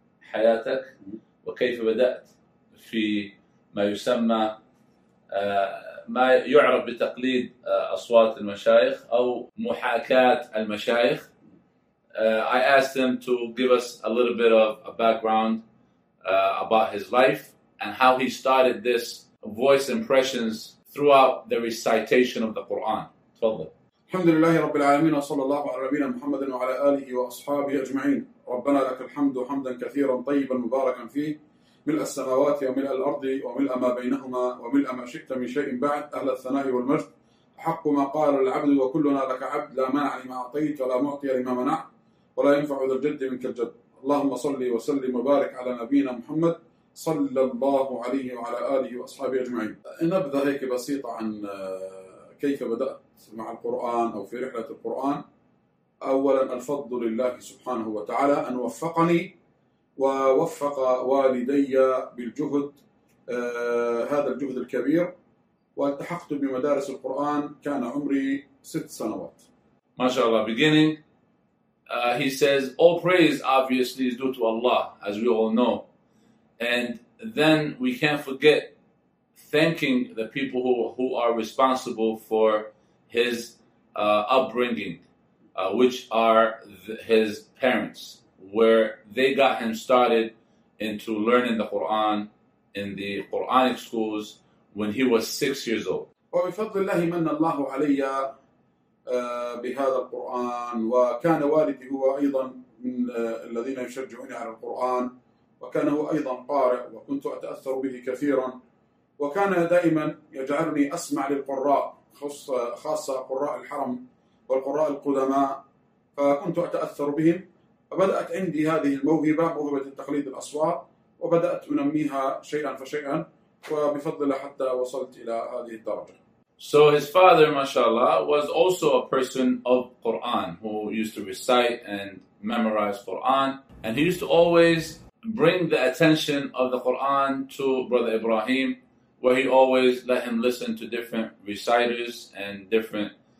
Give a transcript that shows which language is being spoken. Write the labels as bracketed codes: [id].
[ar] حياتك وكيف بدأت في ما يسمى ما يعرف بتقليد أصوات المشايخ أو محاكاة المشايخ. [en] I asked him to give us a little bit of a background about his life and how he started this voice impressions throughout the recitation of the Quran. [ar] تفضل. الحمد لله رب العالمين وصلى الله على نبينا محمد وعلى آله وأصحابه أجمعين. ربنا لك الحمد حمدا كثيرا طيبا مباركا فيه ملء السماوات وملء الأرض وملء ما بينهما وملء ما شئت من شيء بعد أهل الثناء والمجد حق ما قال العبد وكلنا لك عبد لا مانع لما أعطيت ولا معطي لما منعت ولا ينفع ذا الجد منك الجد. اللهم صل وسلم وبارك على نبينا محمد صلى الله عليه وعلى آله وأصحابه أجمعين. نبذة هيك بسيطة عن كيف بدأت مع القرآن أو في رحلة القرآن. أولا الفضل لله سبحانه وتعالى أن وفقني ووفق والدي بالجهد هذا الجهد الكبير والتحقت بمدارس القرآن كان عمري 6 سنوات. ما شاء الله. [en] Beginning, he says, all praise obviously is due to Allah, as we all know. And then we can't forget thanking the people who are responsible for his upbringing, which are his parents, where they got him started into learning the Quran in the Quranic schools when he was 6 years old. [ar] وبفضل الله من الله علي بهذا القرآن وكان والدي هو أيضا من الذين يشجعوني على القرآن وكان هو أيضا قارئ وكنت أتأثر به كثيرا وكان دائما يجعلني أسمع للقراء خاصة قراء الحرم والقراء القدماء فكنت أتأثر بهم فبدأت عندي هذه الموهبة موهبة التقليد الأصوات وبدأت أنميها شيئا فشيئا وبفضل الله حتى وصلت إلى هذه الدرجة. [en] So his father, mashallah, was also a person of Quran who used to recite and memorize Quran, and he used to always bring the attention of the Quran to Brother Ibrahim, where he always let him listen to different reciters and different